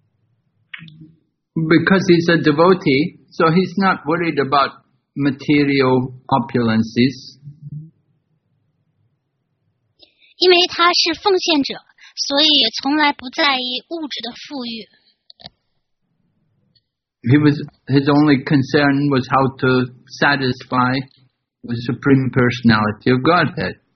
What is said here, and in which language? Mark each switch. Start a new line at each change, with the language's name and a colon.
Chinese: 因为他地位非常崇高，而且他是完全处在超然的层面上。即便他使用了这些玄秘的力量，也不会给别的人制造麻烦。但即便如此，他从来不运用它们。
English: Because he's a devotee, so he's not worried about material opulences.
Chinese: 因为他是奉献者，所以从来不在意物质的富裕。
English: He was his only concern was how to satisfy the Supreme Personality of Godhead.